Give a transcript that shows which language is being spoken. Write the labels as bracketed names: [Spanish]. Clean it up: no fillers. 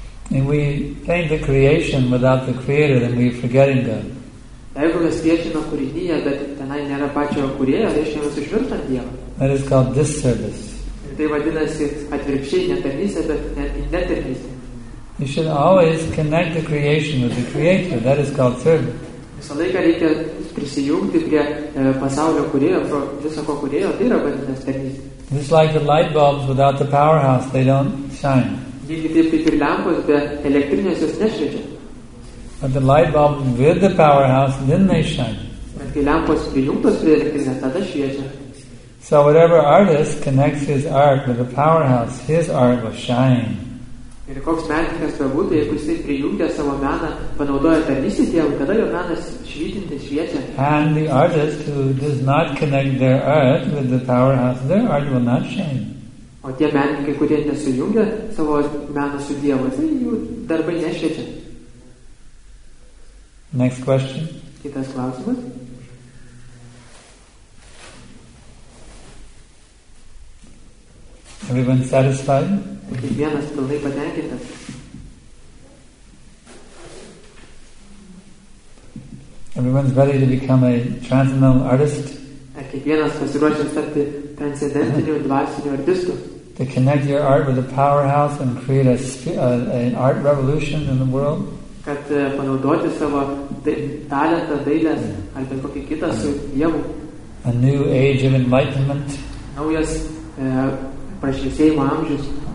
[English] And we paint the creation without the creator, then we are forgetting God. That is called disservice. You should always connect the creation with the creator. That is called service. [Lithuanian] Visą laiką reikia prisijungti prie pasaulio kūrėjo, viso ko kūrėjo, tai yra vadinas tarnystė. [English] It's like the light bulbs without the powerhouse, they don't shine. [Lithuanian] Lygiai taip kaip ir lempos, be elektrinės jos nešviečia. [English] But the light bulb with the powerhouse, then they shine. [Lithuanian] Bet kai lempos prijungtos prie elektrinės, tada šviečia. [English] So whatever artist connects his art with the powerhouse, his art will shine. [Lithuanian] Ir koks menininkas būtų, jeigu jis prijungia savo meną, panaudoja tarnystę Dievui, kada jo menas švytinti, šviečia. [English] And the artist who does not connect their art with the powerhouse, their art will not shine. [Lithuanian] O tie menininkai, kurie nesujungia savo meną su Dievu, tai jų darbai nešviečia. [English] Next question. [Lithuanian] Kitas klausimas. [English] Everyone satisfied? [Lithuanian] Kiekvienas pilnai patenkintas. [English] Everyone's ready to become a transcendental artist. [Lithuanian] Kiekvienas pasiruošęs tapti transcendentiniu dvasiniu artistu. [English] To connect your art with the powerhouse and create an art revolution in the world. [Lithuanian] Kad panaudoti savo talentą, dailės ar bet kokį kitą su Dievu. [English] A new age of enlightenment. [Lithuanian] Naujas prašviesėjimo amžius.